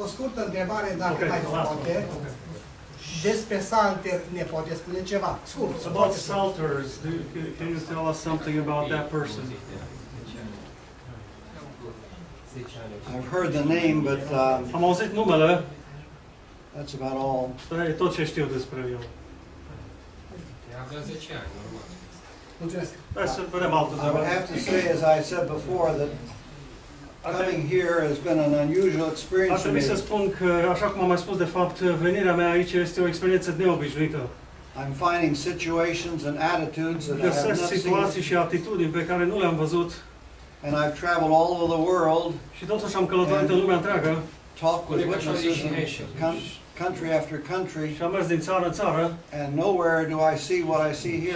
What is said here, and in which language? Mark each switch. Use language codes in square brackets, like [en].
[ro] O scurtă întrebare, dacă okay, mai poate. Okay. Despre Salter ne poate spune ceva. Scurt. [en] About Salters, can you tell us something about that person? I've heard the name, but [ro] am auzit numele. [en] That's about all. [ro] E tot ce știu despre el. [en] I would have to say, as I said before, that coming here has been an unusual experience. [ro] Aș trebui să spun că, așa cum am mai spus, de fapt, venirea mea aici este o experiență neobișnuită. [en] I'm finding situations and attitudes that I have not seen. [ro] Găsesc situații și atitudini pe care nu le-am văzut. [en] And I've traveled all over the world. [ro] Și totuși am călătorit în lumea întreagă. [en] Talk with witnesses and country after country, [ro] și am mers din țară în țară, [en] and nowhere do I see what I see here.